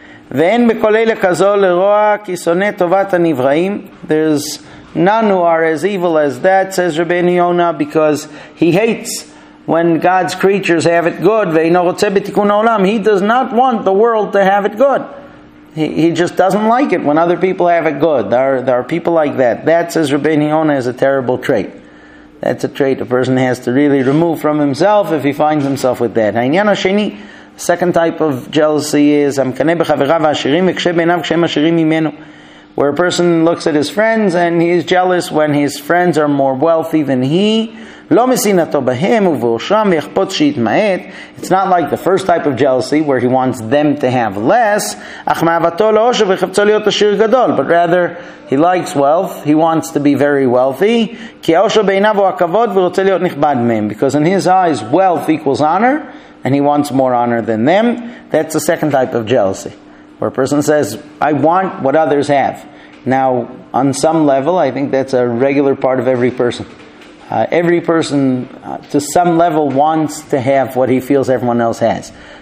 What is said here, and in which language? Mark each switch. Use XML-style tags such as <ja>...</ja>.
<he>ואין בכל אלה כזו לרוע כי שונא טובת הנבראים.</he> <en>There's none who are as evil as that, says Rabbeinu Yonah, because he hates when God's creatures have it good.</en> <he>ואינו רוצה בתיקון העולם.</he> <en>He does not want the world to have it good. He just doesn't like it when other people have it good. There are people like that. That, says Rabbeinu Yonah, is a terrible trait. That's a trait a person has to really remove from himself if he finds himself with that.</en> <he>העניין השני,</he> <en>second type of jealousy is</en> <he>המקנה בחבריו העשירים וקשה בעיניו כשהם עשירים ממנו.</he> <en>Where a person looks at his friends and he is jealous when his friends are more wealthy than he.</en> <he>לא משנאתו בהם ובראשם ויחפוץ שיתמעט.</he> <en>It's not like the first type of jealousy where he wants them to have less.</en> <he>אך מאהבתו לעושר וחפצו להיות עשיר גדול.</he> <en>But rather, he likes wealth. He wants to be very wealthy.</en> <he>כי העושר בעיניו הוא הכבוד ורוצה להיות נכבד מהם.</he> <en>Because in his eyes, wealth equals honor. And he wants more honor than them. That's the second type of jealousy. Where a person says, I want what others have. Now, on some level, I think that's a regular part of every person. Every person, to some level, wants to have what he feels everyone else has.</en>